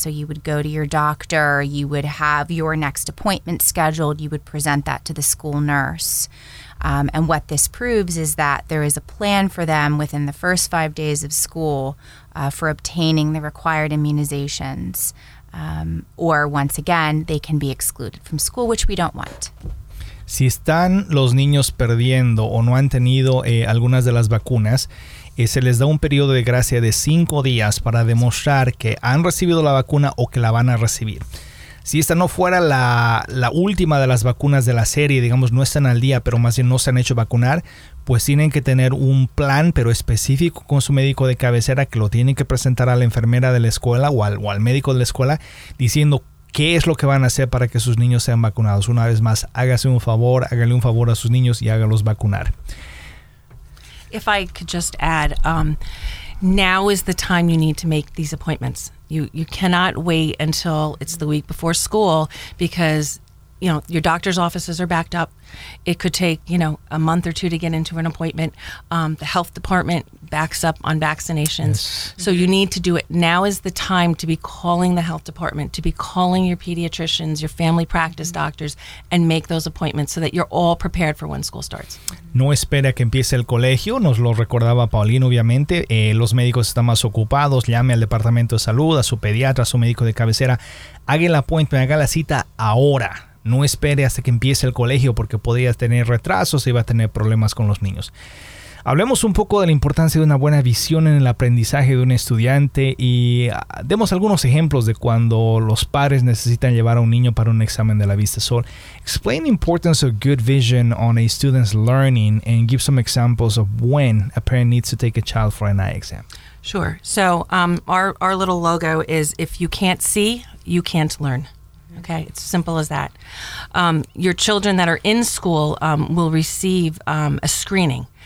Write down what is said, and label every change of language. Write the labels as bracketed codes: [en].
[en] So you would go to your doctor, you would have your next appointment scheduled, you would present that to the school nurse. And what this proves is that there is a plan for them within the first 5 days of school for obtaining the required immunizations. Or once again, they can be excluded from school, which we don't want. [es] Si están los niños perdiendo o no han tenido algunas de las vacunas, se les da un periodo de gracia de 5 días para demostrar que han recibido la vacuna o que la van a recibir. Si esta no fuera la última de las vacunas de la serie, digamos, no están al día, pero más bien no se han hecho vacunar, pues tienen que tener un plan, pero específico con su médico de cabecera, que lo tienen que presentar a la enfermera de la escuela o al médico de la escuela, diciendo qué es lo que van a hacer para que sus niños sean vacunados. Una vez más, hágase un favor, hágale un favor a sus niños y hágalos vacunar. [en] If I could just add, now is the time you need to make these appointments. You cannot wait until it's the week before school because, you know, your doctor's offices are backed up. It could take, you know, a month or two to get into an appointment. The health department backs up on vaccinations. Yes. So you need to do it. Now is the time to be calling the health department, to be calling your pediatricians, your family practice doctors, and make those appointments so that you're all prepared for when school starts. [es] No espera que empiece el colegio, nos lo recordaba Pauline, obviamente. Los médicos están más ocupados, llame al departamento de salud, a su pediatra, a su médico de cabecera. Haga el appointment, haga la cita ahora. No espere hasta que empiece el colegio porque podría tener retrasos y va a tener problemas con los niños. Hablemos un poco de la importancia de una buena visión en el aprendizaje de un estudiante y demos algunos ejemplos de cuando los padres necesitan llevar a un niño para un examen de la vista. [en] So, explain the importance of good vision on a student's learning and give some examples of when a parent needs to take a child for an eye exam. Sure. So, our little logo is if you can't see, you can't learn. Okay, it's simple as that. Your children that are in school will receive a screening.